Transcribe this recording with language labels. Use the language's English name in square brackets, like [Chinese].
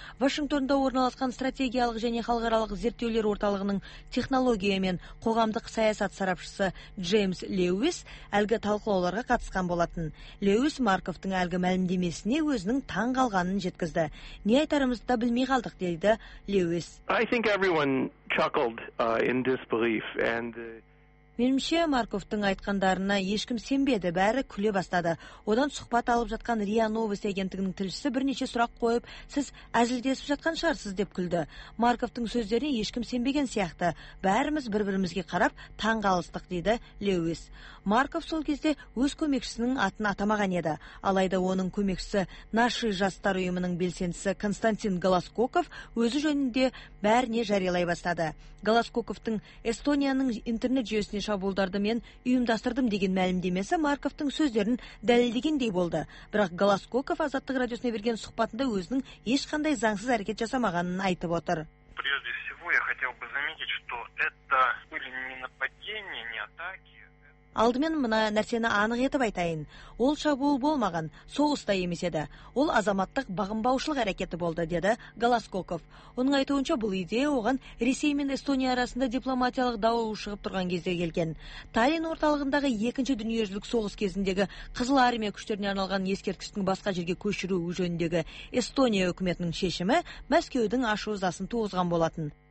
[Kazakh] Вашингтонда орналасқан стратегиялық және халықаралық зерттеулер орталығының технология мен қоғамдық саясат сарапшысы Джеймс Леуис әлгі талқылауларға қатысқан болатын. Леуис Марковтың әлгі мәлімдемесіне өзінің таң қалғанын жеткізді. Не айтарымызды да білмей қалдық, дейді Леуис. [English] I think everyone chuckled in disbelief and [Kazakh] Менімше Марковтың айтқандарына ешкім сенбеді, бәрі күле бастады. Одан сұхбат алып жатқан РИА Новости агенттігінің тілшісі бірнеше сұрақ қойып, сіз әзілдесіп жатқан шығарсыз деп күлді. Марковтың сөздеріне ешкім сенбеген сияқты. Бәріміз бір-бірімізге қарап таң қалыстық, дейді Леуис. Марков сол кезде өз көмекшісінің атын атамаған еді. Алайда оның көмекшісі Наши жастар ұйымының белсендісі Константин Голоскоков өзі жөнінде бәріне жариялай бастады. Голоскоковтың Эстонияның интернет жүйесі шабуылдарды мен ұйымдастырдым деген мәлімдемесі Марковтың сөздерін дәлелдегендей болды. Бірақ Голоскоков Азаттық радиосына берген сұхбатында өзінің ешқандай заңсыз әрекет жасамағанын айтып отыр. [Russian] Прежде всего, я хотел бы заметить, что это были не нападения, не атаки. [Kazakh] Алдымен мына нәрсені анық етіп айтайын. Ол шабуыл болмаған, соғыста емес еді. Ол азаматтық бағынбаушылық әрекеті болды, деді Голоскоков. Оның айтуынша, бұл идея оған Ресей мен Эстония арасында дипломатиялық дауыл шығып тұрған кезде келген. Таллин орталығындағы екінші дүниежүзілік соғыс кезіндегі Қызыл армия күштеріне арналған ескерткіштің басқа жерге көшіру жөніндегі Эстония үкіметінің шешімі Мәскеудің ашу-ызасын туғызған болатын.